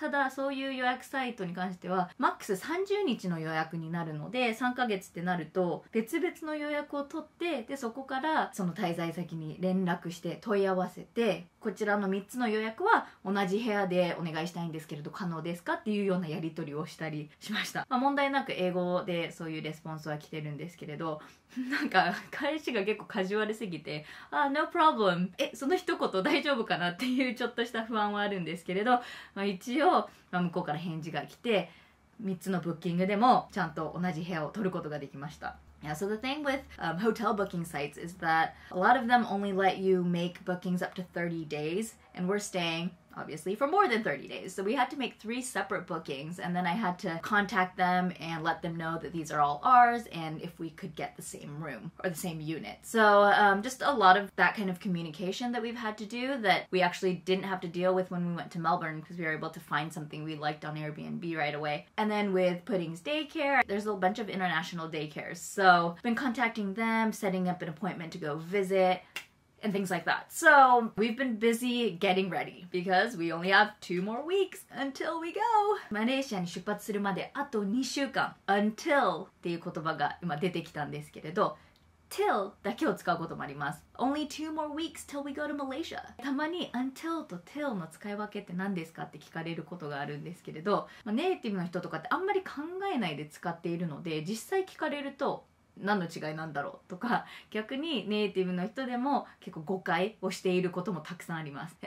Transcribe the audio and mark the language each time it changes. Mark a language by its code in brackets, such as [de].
[ja] ただそういう予約サイトに関してはマックス30日の予約になるので、3ヶ月ってなると別々の予約を取って、でそこからその滞在先に連絡して問い合わせて、こちらの3つの予約は同じ部屋でお願いしたいんですけれど可能ですかっていうようなやり取りをしたりしました、まあ、問題なく英語でそういうレスポンスは来てるんですけれど、なんか返しが結構カジュアルすぎて、あ、 [en] No problem、 [ja] え、その一言大丈夫かなっていうちょっとした不安はあるんですけれど、まあ、一応、まあ、向こうから返事が来て3つのブッキングでもちゃんと同じ部屋を取ることができました。 [en] Yeah, so the thing with hotel booking sites is that a lot of them only let you make bookings up to 30 days, and we're staying, obviously, for more than 30 days. So we had to make 3 separate bookings, and then I had to contact them and let them know that these are all ours, and if we could get the same room or the same unit. So just a lot of that kind of communication that we've had to do that we actually didn't have to deal with when we went to Melbourne, because we were able to find something we liked on Airbnb right away. And then with Pudding's daycare, there's a bunch of international daycares. So I've been contacting them, setting up an appointment to go visit, and things like that. So we've been busy getting ready because we only have 2 more weeks until we go. [ja] マレーシアに出発するまであと2週間。 Until っていう言葉が今出てきたんですけれど、till だけを使うこともあります。 [en] Only 2 more weeks till we go to Malaysia. [ja] たまに until と till の使い分けって何ですかって聞かれることがあるんですけれど、まあ、ネイティブの人とかってあんまり考えないで使っているので、実際聞かれると何の違いなんだろうとか、逆にネイティブの人でも結構誤解をしていることもたくさんあります。